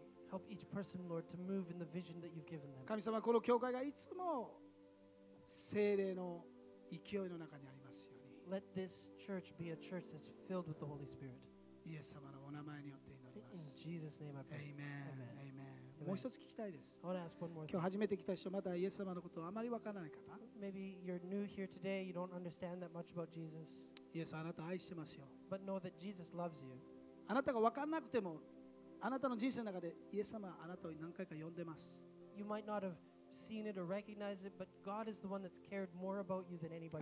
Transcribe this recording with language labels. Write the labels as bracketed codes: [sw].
[en] Help each person, Lord, to move in the vision that you've given them. Let this church be a church that's filled with the Holy Spirit. In Jesus' name I pray. Amen. Amen. Amen. [ja] もう一つ聞きたいです。 [en] I want to ask one more thing. [ja] 今日初めて来た人、またイエス様のことをあまり分からない方。 [en] Maybe you're new here today, you don't understand that much about Jesus. [ja] イエス、あなた愛してますよ。 [en] But know that Jesus loves you. [ja] あなたが分からなくても、あなたの人生の中でイエス様はあなたを何回か呼んでます。 [en] You might not have seen it or recognized it, but God is the one that's cared more about you than anybody else.